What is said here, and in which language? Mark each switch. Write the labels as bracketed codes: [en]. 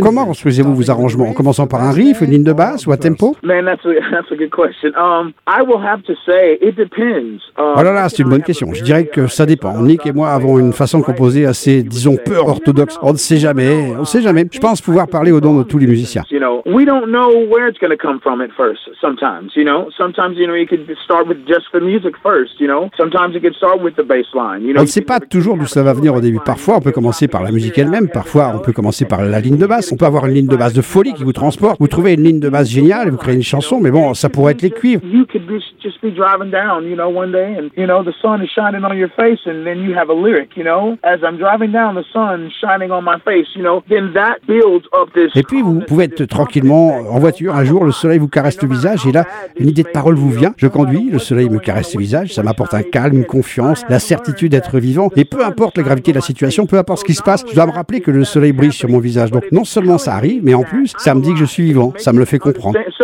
[fr] Comment construisez-vous vos arrangements? En commençant par un riff, une ligne de basse ou à tempo? [en] Man, that's a good question. I will have to say, it depends. [fr] Oh là là, c'est une bonne question. Je dirais que ça dépend. Nick et moi avons une façon de composer assez, disons, peu orthodoxe. On ne sait jamais. On ne sait jamais. Je pense pouvoir parler au nom de tous les musiciens. [en] You know, we don't know where it's going to come from at first. Sometimes, you know, you can start with just the music first. You know, sometimes you can start with the bass line. [fr] On ne sait pas toujours d'où ça va venir au début. Parfois, on peut commencer par la musique elle-même. Parfois, on peut commencer par la ligne de basse. On peut avoir une ligne de basse de folie qui vous transporte. Vous trouvez une ligne de basse géniale et vous créez une chanson. Mais bon, ça pourrait être les cuivres. [en] You could just be driving down, you know, one day, and you know the sun is shining on your face, and then you have a lyric, you know, as I'm driving down, the sun shining on my face, you know, then that builds up this. [fr] Et puis vous pouvez être tranquillement en voiture un jour, le soleil vous caresse le visage et là une idée de parole vous vient. Je conduis, le soleil me caresse le visage, ça m'apporte un calme, une confiance, la certitude d'être vivant. Et peu importe la gravité de la situation, peu importe ce qui se passe, je dois me rappeler que le soleil brille sur mon visage. Donc non seulement ça arrive, mais en plus ça me dit que je suis vivant, ça me le fait comprendre.